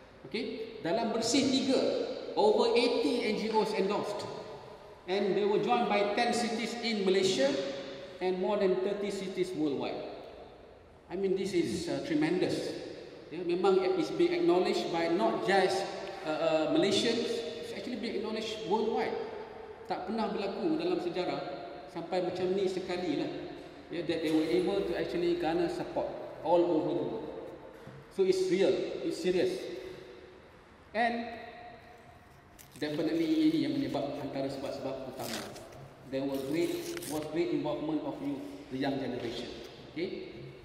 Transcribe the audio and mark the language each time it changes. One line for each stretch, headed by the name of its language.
English: Okay,
Malay: dalam
English: bersih tiga, over 80 NGOs endorsed. And they were joined by 10 cities in Malaysia and more than 30 cities worldwide. I mean, this is tremendous. Yeah,
Malay: memang
English: it's being acknowledged by not just Malaysians, it's actually being acknowledged worldwide.
Malay: Tak pernah berlaku dalam sejarah sampai macam ni sekali lah.
English: Yeah, that they were able to actually garner support all over the world. So it's real, it's serious. And definitely
Malay: ini yang menyebabkan antara sebab-sebab utama.
English: There was great involvement of youth, the young generation. Okay?